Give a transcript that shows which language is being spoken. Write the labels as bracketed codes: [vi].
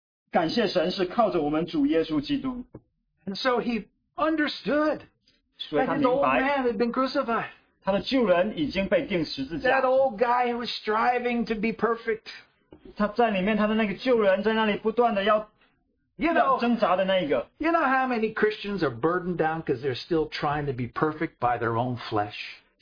[zh] 感谢神是靠着我们主耶稣基督。 [en] And so he understood that his old man had been crucified. [zh] 他的旧人已经被钉十字架。 [en] That old guy who was striving to be perfect. [zh] 他在里面他的那个旧人在那里不断的要挣扎的那一个。 [en] You know how many Christians are burdened down because they're still trying to be perfect by their own flesh?